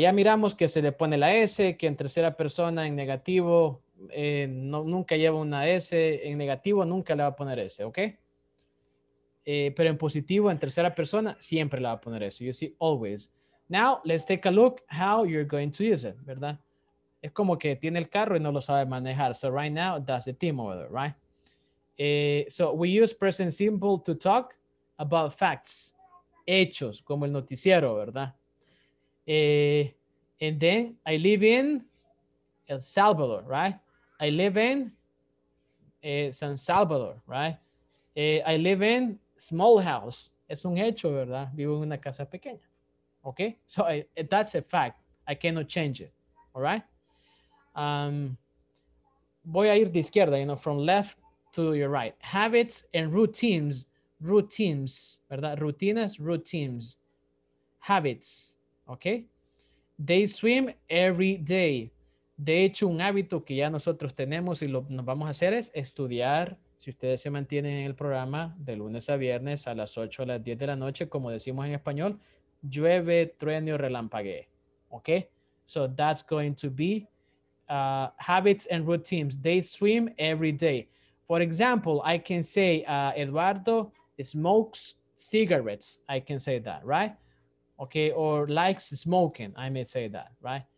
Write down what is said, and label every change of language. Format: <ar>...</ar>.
<es>Ya miramos que se le pone la S, que en tercera persona en negativo no, nunca lleva una S, en negativo nunca le va a poner S, okay? Pero en positivo, en tercera persona, siempre le va a poner S,</es> <en>you see, always. Now, let's take a look how you're going to use it, ¿verdad?</en> <es>Es como que tiene el carro y no lo sabe manejar.</es> <en>So right now, that's the team over there, right? So we use present simple to talk about facts,</en> <es>hechos, como el noticiero, ¿verdad?</es> <en>And then I live in El Salvador, right? I live in San Salvador, right? I live in small house.</en> <es>Es un hecho, ¿verdad? Vivo en una casa pequeña.</es> <en>Okay? So that's a fact. I cannot change it. All right?</en> <es>Voy a ir de izquierda,</es> <en>you know, from left to your right. Habits and routines.</en> <es>Routines, ¿verdad? Rutinas, routines. Habits, okay?</es> <en>They swim every day.</en> <es>De hecho, un hábito que ya nosotros tenemos y lo nos vamos a hacer es estudiar, si ustedes se mantienen en el programa, de lunes a viernes a las 8 a las 10 de la noche, como decimos en español, llueve, truene o relampague. Okay?</es> <en>So that's going to be habits and routines. They swim every day. For example, I can say Eduardo smokes cigarettes. I can say that, right? Okay, or likes smoking. I may say that, right?</en>